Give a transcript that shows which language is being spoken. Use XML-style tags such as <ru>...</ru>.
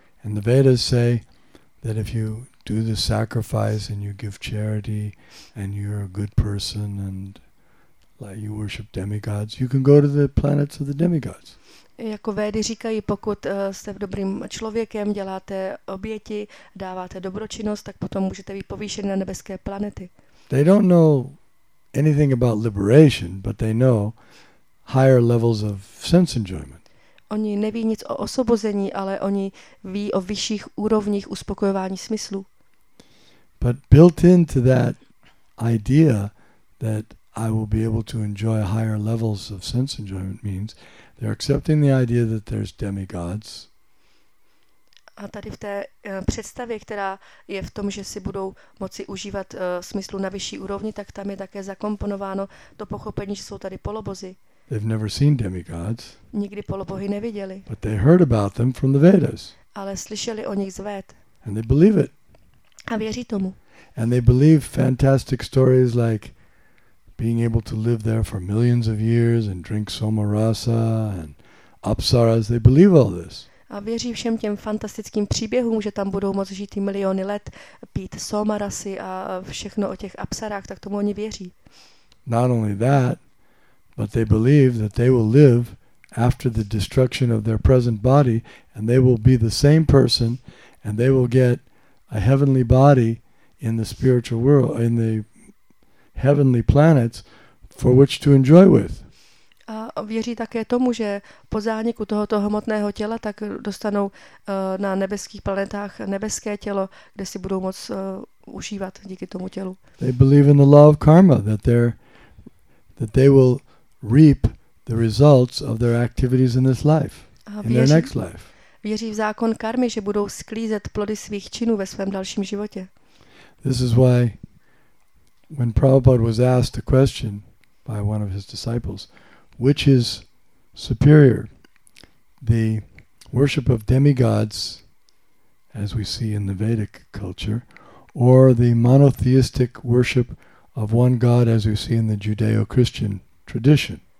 <en>And the Vedas say that if you do the sacrifice and you give charity and you're a good person and like you worship demigods, you can go to the planets of the demigods.</en> <cs>Jako Védy říkají, pokud jste dobrým člověkem, děláte oběti, dáváte dobročinnost, tak potom můžete být povýšeni na nebeské planety.</cs> <en>They don't know anything about liberation, but they know higher levels of sense enjoyment.</en> <cs>Oni neví nic o osvobození, ale oni ví o vyšších úrovních uspokojování smyslu.</cs> <en>But built into that idea that I will be able to enjoy higher levels of sense enjoyment means they're accepting the idea that there's demigods.</en> <cs>A tady v té představě, která je v tom, že si budou moci užívat smyslu na vyšší úrovni, tak tam je také zakomponováno to pochopení, že jsou tady polobozy.</cs> <en>They've never seen demigods.</en> <cs>Nikdy polobohy neviděli.</cs> <en>But they heard about them from the Vedas.</en> <cs>Ale slyšeli o nich z Véd.</cs> <en>And they believe it.</en> <cs>A věří tomu.</cs> <en>And they believe fantastic stories like being able to live there for millions of years and drink soma rasa and apsaras. They believe all this.</en> <cs>A věří všem těm fantastickým příběhům, že tam budou moci žít i miliony let, pít soma rasy a všechno o těch apsarách, tak tomu oni věří.</cs> <en>Not only that, but they believe that they will live after the destruction of their present body and they will be the same person and they will get a heavenly body in the spiritual world, in the heavenly planets for which to enjoy with.</en> <cs>A věří také tomu, že po zániku tohoto hmotného těla tak dostanou na nebeských planetách nebeské tělo, kde si budou moc užívat díky tomu tělu.</cs> <en>They believe in the law of karma, that they will reap the results of their activities in this life, in their next life.</en> <cs>Věří v zákon karmy, že budou sklízet plody svých činů ve svém dalším životě.</cs> <en>This is why when Prabhupada was asked a question by one of his disciples, which is superior, the worship of demigods, as we see in the Vedic culture, or the monotheistic worship of one god, as we see in the Judeo-Christian tradition.</en>